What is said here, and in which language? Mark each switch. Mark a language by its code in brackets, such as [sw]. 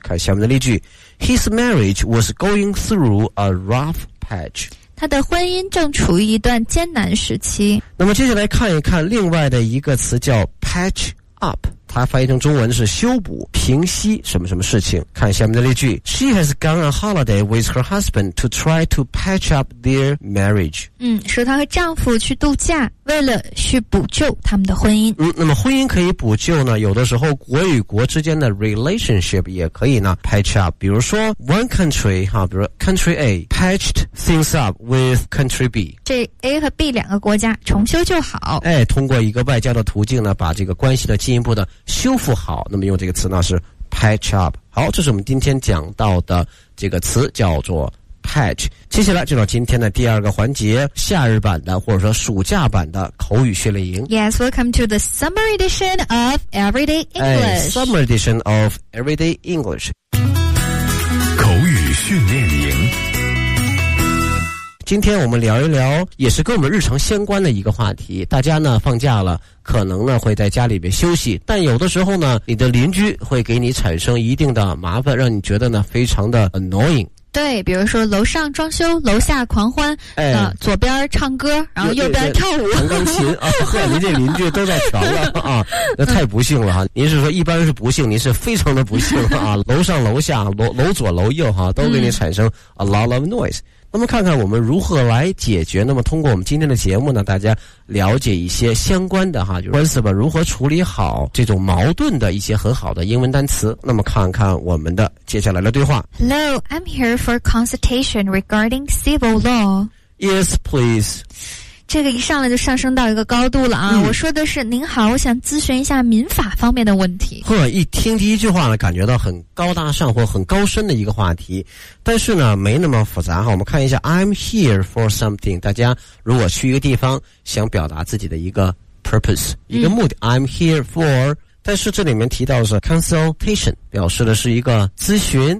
[zh] 看下面的例句 [en] ，His marriage was going through a rough patch。 [zh] 他的婚姻正处于一段艰难时期。那么接下来看一看另外的一个词叫 patch up。它翻译成中文是修补、平息什么什么事情。看下面的例句 [en] She has gone on holiday with her husband to try to patch up their marriage. [zh] 说她和丈夫去度假，为了去补救他们的婚姻。那么婚姻可以补救呢，有的时候国与国之间的 relationship 也可以呢 patch up。比如说 [en] one country [zh] 哈，比如 [en] country A patched things up with country B， [zh] 这 A 和 B 两个国家重修就好，通过一个外交的途径呢，把这个关系呢进一步的修复好，那么用这个词呢是 patch up。好，这是我们今天讲到的这个词，叫做 patch。接下来就到今天的第二个环节，夏日版的或者说暑假版的口语训练营。 [en] Yes, welcome to the summer edition of Everyday English. Summer edition of Everyday English. [zh] 口语训练营，今天我们聊一聊也是跟我们日常相关的一个话题。大家呢放假了，可能呢会在家里面休息，但有的时候呢你的邻居会给你产生一定的麻烦，让你觉得呢非常的 annoying。对，比如说楼上装修，楼下狂欢，左边唱歌，然后右边跳舞，弹钢琴啊！您这邻居都在瞧了啊，那太不幸了哈！您是说一般是不幸，您是非常的不幸啊！楼上楼下楼左楼右哈，都给你产生 [en] a lot of noise。 [zh] 那么看看我们如何来解决，那么通过我们今天的节目呢，大家了解一些相关的哈，就是官司吧如何处理好这种矛盾的一些很好的英文单词。那么看看我们的接下来的对话。 [en] Hello, I'm here for consultation regarding civil law. Yes, please. [zh] 这个一上来就上升到一个高度了啊，我说的是您好，我想咨询一下民法方面的问题。呵，一听第一句话呢感觉到很高大上或很高深的一个话题，但是呢没那么复杂哈。我们看一下 [en] I'm here for something， [zh] 大家如果去一个地方想表达自己的一个 purpose 一个目的 [en] I'm here for， [zh] 但是这里面提到的是 consultation， 表示的是一个咨询，